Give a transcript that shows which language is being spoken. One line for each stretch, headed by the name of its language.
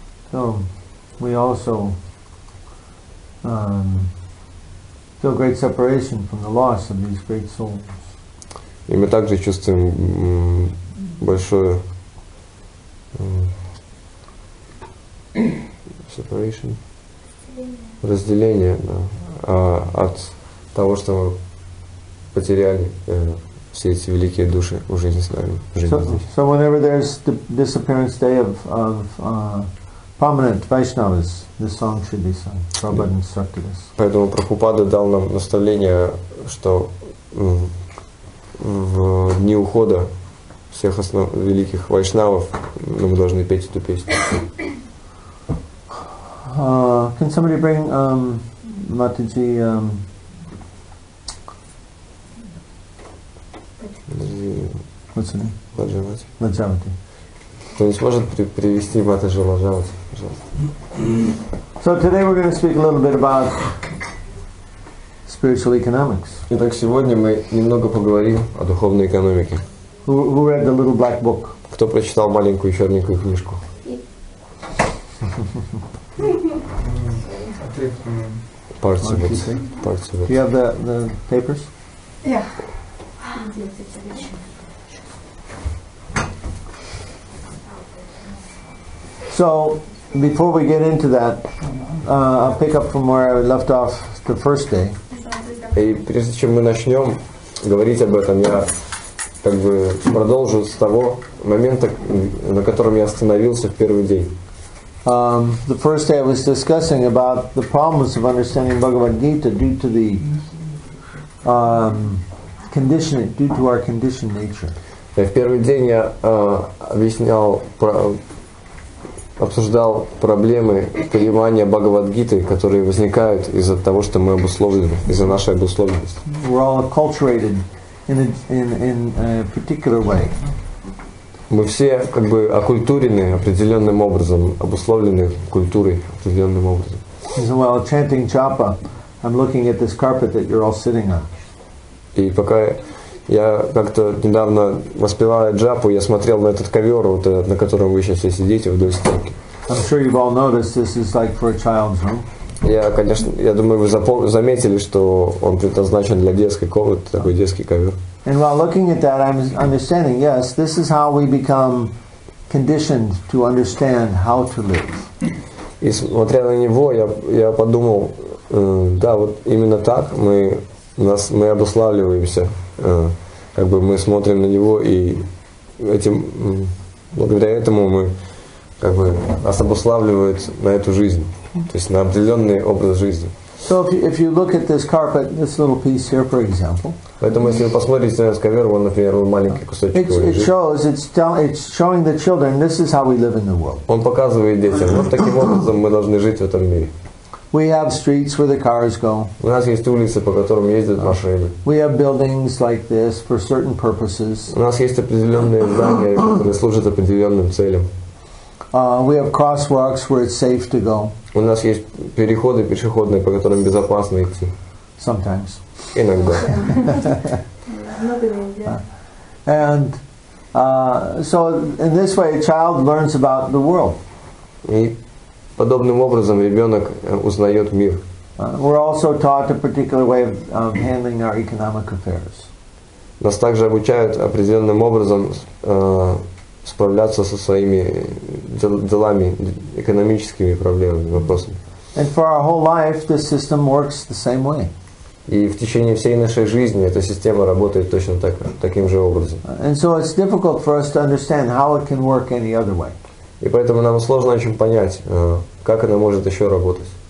English: So, we also feel great separation from the loss of these great souls.
Russian: И мы также чувствуем большое separation, разделение, да, от того, что мы потеряли все эти великие души в жизни с нами.
English: So whenever there's the disappearance day of prominent Vaishnavas, this song should be sung. Prabhupada instructed us.
Russian: Поэтому Прабхупада дал нам наставление, что в дни ухода всех великих Вайшнавов мы должны петь эту песню.
English: Can somebody bring Матиджи what's her name?
Russian: Ладжавати. Ладжавати. Кто не сможет привести Матаджи Ладжавати, пожалуйста.
English: So today we're going to speak a little bit about spiritual economics.
Russian: Итак, сегодня мы немного поговорим о духовной экономике.
English: who read the little black book?
Russian: Кто прочитал маленькую черненькую книжку?
English: Parts of it. Parts of it. Do you have the papers? Yeah. So before we get into that, I'll pick up from where I left off the first day.
Russian: И прежде чем мы начнем говорить об этом, я как бы продолжу с того момента, на котором я остановился в первый день.
English: The first day I was discussing about the problems of understanding Bhagavad Gita due to the conditioning, due to our conditioned nature.
Russian: В первый день я объяснял про обсуждал проблемы понимания Бхагавад-гиты, которые возникают из-за того, что мы обусловлены, из-за нашей обусловленности.
English: We're all acculturated in a particular way.
Russian: Мы все как бы оккультурены определенным образом, обусловлены культурой определенным образом.
English: So while chanting japa, I'm looking at this carpet that you're all sitting on.
Russian: И пока я как-то недавно воспевая джапу, я смотрел на этот ковер, вот этот, на котором вы сейчас все сидите вдоль стенки.
English: I'm sure you've all noticed this is like for a child's room.
Russian: Я, конечно, я думаю, вы заметили, что он предназначен для детской комнаты, такой детский ковер.
English: And while looking at that, I'm understanding, yes, this is how we become conditioned to understand how to live.
Russian: И смотря на него, я подумал, да, вот именно так мы обуславливаемся. Как бы мы смотрим на него и этим благодаря этому мы как бы нас обуславливают на эту жизнь, то есть на определенный образ жизни.
English: So if you look at this carpet, this little piece here, for example.
Russian: Поэтому если вы посмотрите на этот ковер, вон, например, вот маленький кусочек.
English: It's showing the children this is how we live in the world.
Russian: Он показывает детям, вот таким образом мы должны жить в этом мире.
English: We have streets where the cars go.
Russian: У нас есть улицы, по которым ездят машины.
English: We have buildings like this for certain purposes.
Russian: У нас есть определенные здания, которые служат определенным целям.
English: We have crosswalks where it's safe to go.
Russian: У нас есть переходы пешеходные, по которым безопасно идти.
English: Sometimes.
Russian: Иногда.
English: And so in this way, a child learns about the world.
Russian: Подобным образом ребенок узнает мир.
English: We're also taught a particular way of handling our economic affairs.
Russian: Нас также обучают определенным образом справляться со своими делами, экономическими проблемами, вопросами.
English: And for our whole life, this system works the same way.
Russian: И в течение всей нашей жизни эта система работает точно так, таким же образом.
English: And so it's difficult for us to understand how it can work any other way.
Russian: И поэтому нам сложно очень понять, как она может еще работать.